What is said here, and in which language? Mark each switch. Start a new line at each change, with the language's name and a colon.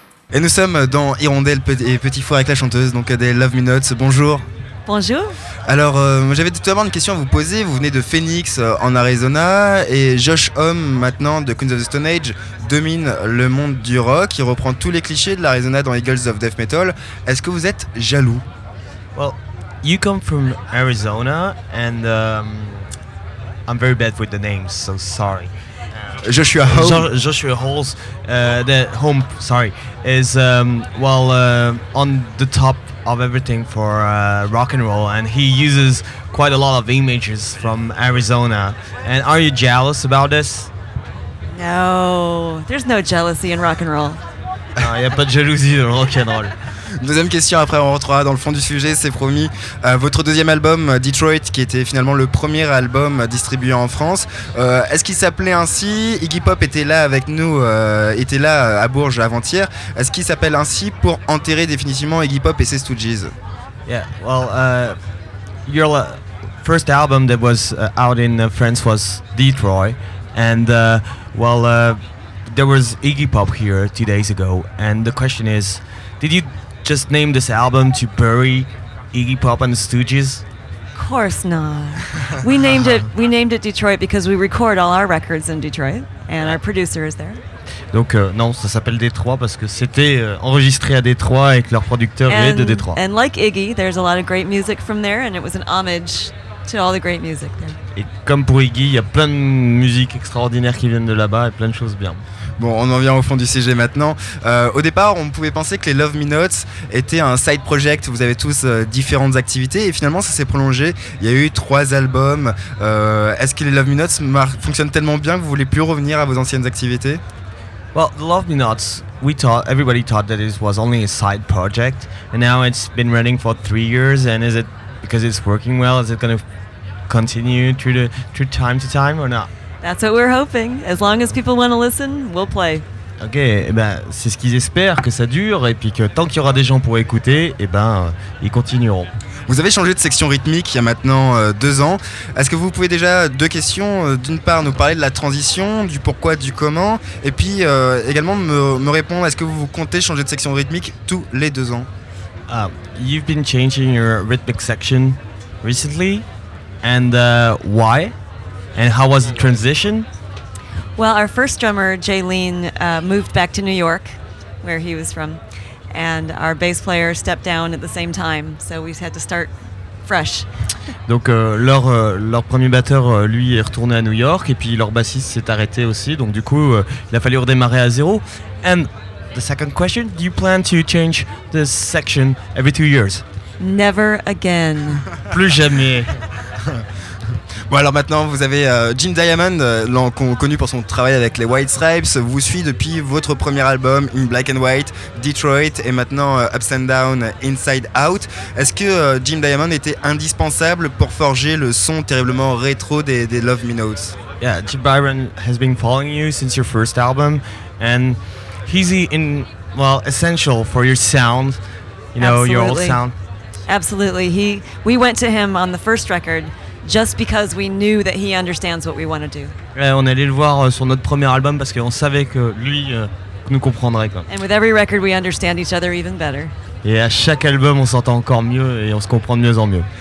French: Et nous sommes dans Hirondelle et Petit Four avec la chanteuse, donc Adèle Love Me Notes. Bonjour. Bonjour. Alors, j'avais tout d'abord une question à vous poser. Vous venez de Phoenix, en Arizona, et Josh Homme, maintenant, de Queens of the Stone Age, domine le monde du rock. Il reprend tous les clichés de l'Arizona dans Eagles of Death Metal. Est-ce que vous êtes jaloux?
English: Well, you come from Arizona, and I'm very bad with the names, so sorry. Joshua Holmes. Joshua Holmes, is on the top of everything for rock and roll, and he uses quite a lot of images from Arizona. And are you jealous about this? No, there's no jealousy in rock and roll.
French: Il n'y a pas de jalousie dans rock and roll. Deuxième question, après on rentrera dans le fond du sujet, c'est promis. Votre deuxième album, Detroit, qui était finalement le premier album distribué en France, est-ce qu'il s'appelait ainsi? Iggy Pop était là avec nous, était là à Bourges avant-hier. Est-ce qu'il s'appelle ainsi pour enterrer définitivement Iggy Pop et ses Stooges?
English: Yeah, well, your first album that was out in France was Detroit, and there was Iggy Pop here 2 days ago, and the question is, did you just name this album to bury Iggy Pop and the Stooges? Of course not. We named it Detroit because we record all our records in Detroit and our producer is there.
French: Donc non, ça s'appelle Détroit parce que c'était enregistré à Détroit et que leur producteur est de Détroit.
English: And like Iggy, there's a lot of great music from there and it was an homage to all the great music there.
French: Et comme pour Iggy, il y a plein de musique extraordinaire qui viennent de là-bas et plein de choses bien. Bon, on en vient au fond du sujet maintenant. Au départ, on pouvait penser que les Love Me Notes étaient un side project. Vous avez tous différentes activités et finalement, ça s'est prolongé. Il y a eu 3 albums. Est-ce que les Love Me Notes fonctionnent tellement bien que vous voulez plus revenir à vos anciennes activités?
English: Well, the Love Me Notes, we thought, everybody thought that it was only a side project, and now it's been running for 3 years. And is it because it's working well? Is it going to continue through time to time or not? That's what we're hoping. As long as people want to listen, we'll play.
French: Ok, et ben c'est ce qu'ils espèrent, que ça dure, et puis que tant qu'il y aura des gens pour écouter, et ben ils continueront. Vous avez changé de section rythmique il y a maintenant 2 ans. Est-ce que vous pouvez déjà, 2 questions, d'une part nous parler de la transition, du pourquoi, du comment, et puis également me répondre, est-ce que vous comptez changer de section rythmique tous les 2 ans?
English: You've been changing your rhythmic section recently, and why? And how was the transition? Well, our first drummer, Jaylen, moved back to New York, where he was from. And our bass player stepped down at the same time, so we had to start fresh.
French: Donc leur premier batteur, lui, est retourné à New York, et puis leur bassiste s'est arrêté aussi, donc du coup, il a fallu redémarrer à zéro.
English: And the second question, do you plan to change the section every 2 years? Never again.
French: Plus jamais. Bon, alors maintenant, vous avez Jim Diamond, connu pour son travail avec les White Stripes, vous suit depuis votre premier album, In Black and White, Detroit, et maintenant Ups and Down, Inside Out. Est-ce que Jim Diamond était indispensable pour forger le son terriblement rétro des Love Me Notes?
English: Yeah, Jim Byron has been following you since your first album, and he's essential for your sound, you know. Absolutely. Your old sound. Absolutely. We went to him on the first record, just because we knew that he understands what we want to do.
French: Ouais, on allait le voir sur notre premier album parce qu'on savait que lui nous comprendrait, quoi.
English: And with every record we understand each other even better.
French: Et à chaque album on s'entend encore mieux et on se comprend de mieux en mieux.